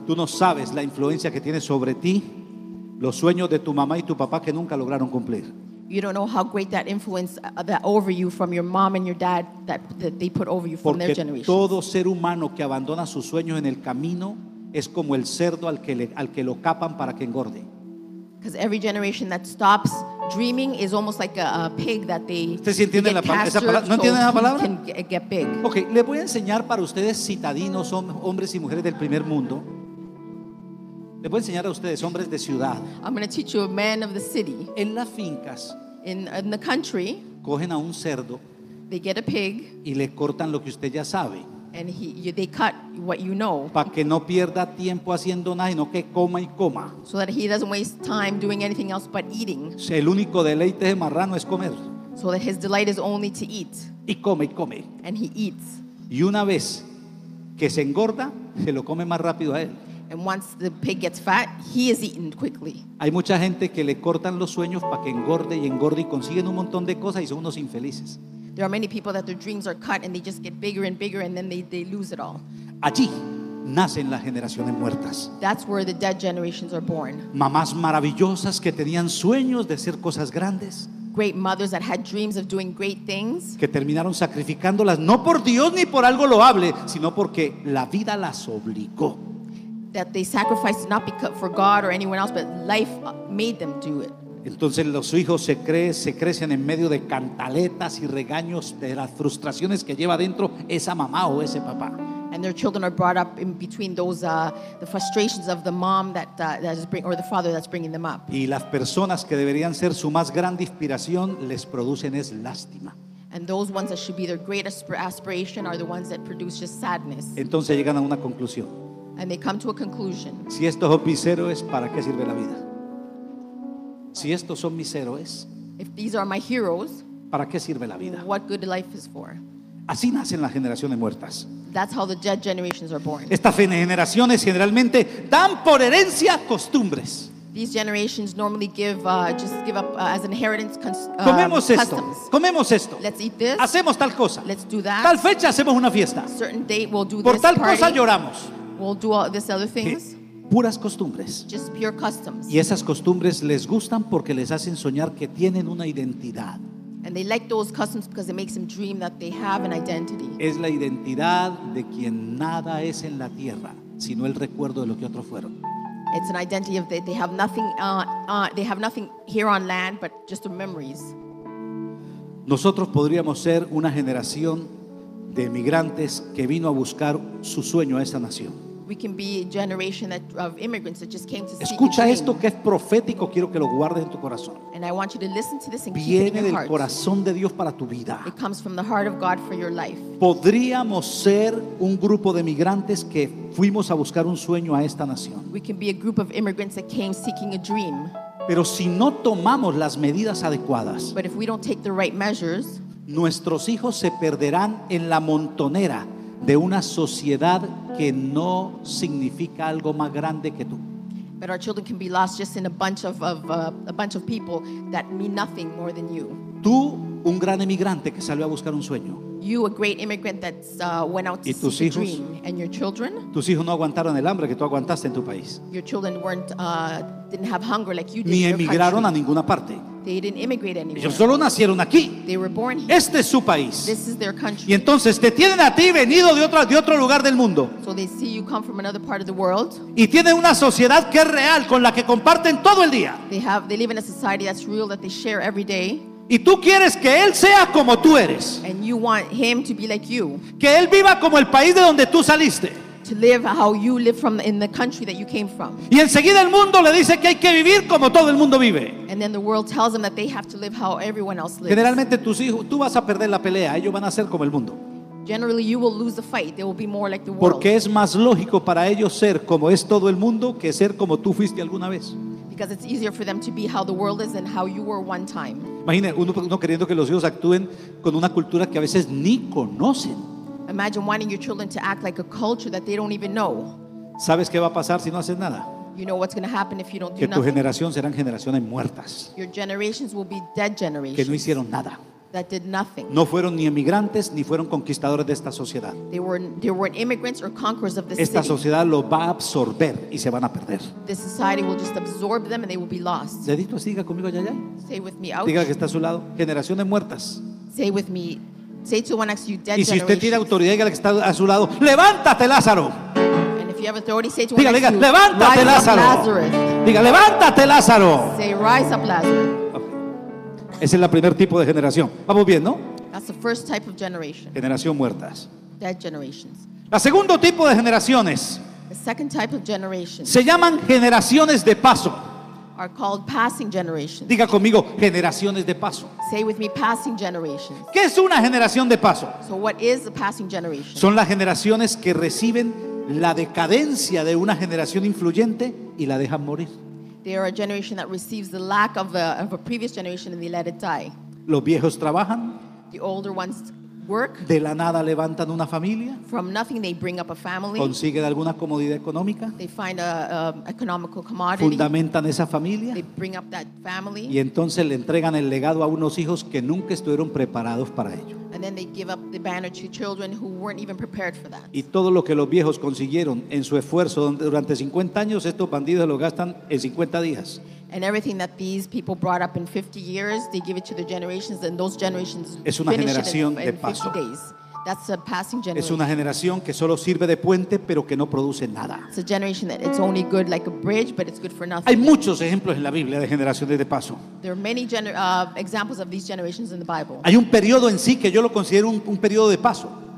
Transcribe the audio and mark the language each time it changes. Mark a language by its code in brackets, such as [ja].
[es] Tú no sabes la influencia que tiene sobre ti los sueños de tu mamá y tu papá que nunca lograron cumplir. [en] You don't know how great that influence that over you from your mom and your dad that they put over you from [es] porque [en] their generation. [es] Porque todo ser humano que abandona sus sueños en el camino es como el cerdo al que lo capan para que engorde. [en] Because every generation that stops dreaming is almost like a pig that they get pastured so he can get big. [es] Okay, le voy a enseñar para ustedes citadinos, hombres y mujeres del primer mundo. Le voy a enseñar a ustedes hombres de ciudad. [en] I'm going to teach you a man of the city. [es] En las fincas. [en] In the country. [es] Cogen a un cerdo. [en] They get a pig. [es] Y le cortan lo que usted ya sabe. [en] And they cut what you know. [es] Para que no pierda tiempo haciendo nada, sino que coma y coma. [en] So that he doesn't waste time doing anything else but eating. [es] El único deleite de marrano es comer. [en] So that his delight is only to eat. [es] Y come y come. [en] And he eats. [es] Y una vez que se engorda, se lo come más rápido a él. [en] And once the pig gets fat, he is eaten quickly. [es] Hay mucha gente que le cortan los sueños para que engorde y engorde y consiguen un montón de cosas y son unos infelices. [en] There are many people that their dreams are cut and they just get bigger and bigger and then they lose it all. [es] Allí nacen las generaciones muertas. [en] That's where the dead generations are born. [es] Mamás maravillosas que tenían sueños de hacer cosas grandes. [en] Great mothers that had dreams of doing great things. [es] Que terminaron sacrificándolas no por Dios ni por algo loable, sino porque la vida las obligó. [en] That they sacrificed not because for God or anyone else, but life made them do it. [es] Entonces los hijos se crecen en medio de cantaletas y regaños de las frustraciones que lleva dentro esa mamá o ese papá. [en] And their children are brought up in between those the frustrations of the mom that is the father that's bringing them up. [es] Y las personas que deberían ser su más grande inspiración les producen es lástima. [en] And those ones that should be their greatest aspiration are the ones that produce just sadness. [es] Entonces llegan a una conclusión. [en] And they come to a conclusion. [es] Si esto es mis héroes, ¿para qué sirve la vida? Si estos son mis héroes, [en] if these are my heroes, [es] ¿para qué sirve la vida? [en] What good life is for? [es] Así nacen las generaciones muertas. [en] That's how the dead generations are born. [es] Estas generaciones generalmente dan por herencia costumbres. [en] These generations normally give as inheritance customs. [es] Comemos esto. Comemos esto. [en] Let's eat this. [es] Hacemos tal cosa. [en] Let's do that. [es] Tal fecha hacemos una fiesta. [en] Certain date we'll do [es] por [en] this [es] tal [en] party. [es] Cosa lloramos. [en] We'll do all these other things. [es] Puras costumbres. [en] Just pure customs. [es] Y esas costumbres les gustan porque les hacen soñar que tienen una identidad. [en] And they like those customs because it makes them dream that they have an identity. [es] Es la identidad de quien nada es en la tierra, sino el recuerdo de lo que otros fueron. [en] It's an identity of they have nothing they have nothing here on land but just the memories. [es] Nosotros podríamos ser una generación de migrantes que vino a buscar su sueño a esta nación. [en] We can be a generation that, of immigrants that just came to seek. [es] Escucha esto que es profético, quiero que lo guardes en tu corazón. [en] And I want you to listen to this and keep it in your heart. [es] Viene del corazón de Dios para tu vida. [en] It comes from the heart of God for your life. [es] Podríamos ser un grupo de migrantes que fuimos a buscar un sueño a esta nación. [en] We can be a group of immigrants that came seeking a dream. [es] Pero si no tomamos las medidas adecuadas, [en] but if we don't take the right measures, [es] nuestros hijos se perderán en la montonera de una sociedad que no significa algo más grande que tú. [en] But our children can be lost just in a bunch of people that mean nothing more than you. [es] Tú, un gran emigrante que salió a buscar un sueño. [en] You, a great immigrant that went out to seek a dream. And your children? [es] Tus hijos no aguantaron el hambre que tú aguantaste en tu país. [en] Your children weren't didn't have hunger like you did. [es] Ni emigraron a ninguna parte. [en] They didn't immigrate anywhere. [es] Ellos solo nacieron aquí. [en] They were born here. [es] Este es su país. [en] This is their country. [es] Y entonces te tienen a ti venido de otro lugar del mundo. [en] So they see you come from another part of the world. [es] Y tienen una sociedad que es real con la que comparten todo el día. [en] They live in a society that's real that they share every day. [es] Y tú quieres que él sea como tú eres. [en] And you want him to be like you. [es] Que él viva como el país de donde tú saliste. [en] To live how you live from in the country that you came from. [es] Y enseguida el mundo le dice que hay que vivir como todo el mundo vive. [en] And then the world tells them that they have to live how everyone else lives. [es] Generalmente tus hijos, tú vas a perder la pelea, ellos van a ser como el mundo. [en] Generally you will lose the fight, they will be more like the world. [es] Porque es más lógico para ellos ser como es todo el mundo que ser como tú fuiste alguna vez. [en] Because it's easier for them to be how the world is than how you were one time. [es] Imagine uno queriendo que los hijos actúen con una cultura que a veces ni conocen. [en] Imagine wanting your children to act like a culture that they don't even know. [es] ¿Sabes qué va a pasar si no haces nada? [en] You know what's going to happen if you don't do [es] que tu [en] nothing. [es] Generación serán generaciones muertas. [en] Your generations will be dead generations. [es] Que no hicieron nada. [en] That did nothing. [es] No fueron ni emigrantes ni fueron conquistadores de esta sociedad. [en] They weren't immigrants or conquerors of this. [es] Esta sociedad lo va a absorber y se van a perder. [en] This society will just absorb them and they will be lost. [es] Dedito así, diga conmigo allá. [en] Say with me. Ouch. [es] Diga que está a su lado. Generaciones muertas. [en] Say with me. Say to one next to you, dead. [es] Y si usted tiene autoridad, diga que está a su lado. Levántate, Lázaro. [en] And if you have authority, say to [es] diga, [en] one next to you, [es] levántate, Lázaro. Diga, levántate, Lázaro. [en] Say, rise up, Lazarus. [es] Ese es el primer tipo de generación. Vamos bien, ¿no? [en] That's the first type of generation. [es] Generación muertas. [en] Dead generations. [es] La segundo tipo de generaciones. [en] The second type of generations. [es] Se llaman generaciones de paso. [en] Are called passing generations. [es] Diga conmigo, generaciones de paso. [en] Say with me, passing generations. [es] ¿Qué es una generación de paso? [en] So what is a passing generation? [es] Son las generaciones que reciben la decadencia de una generación influyente y la dejan morir. [en] They are a generation that receives the lack of a previous generation and they let it die. [es] Los viejos trabajan. [en] The older ones work. [es] De la nada levantan una familia. [en] From nothing they bring up a family. [es] Consiguen alguna comodidad económica. [en] They find a economical commodity. [es] Fundamentan esa familia. [en] They bring up that family. [es] Y entonces le entregan el legado a unos hijos que nunca estuvieron preparados para ello. [en] And then they give up the banner to children who weren't even prepared for that. [es] Y todo lo que los viejos consiguieron en su esfuerzo durante 50 años, estos bandidos lo gastan en 50 días. [en] And everything that these people brought up in 50 years, they give it to their generations, and those generations [es] es una [en] finish it [es] de paso. [en] In 50 days. That's a passing generation. [es] Es una generación que solo sirve de puente, pero que no produce nada. [en] It's a generation that it's only good like a bridge, but it's good for nothing. [es] Hay muchos ejemplos en la Biblia de generaciones de paso. [en] There are many examples of these generations in the Bible. [es] Hay un periodo en sí que yo lo considero un periodo de paso.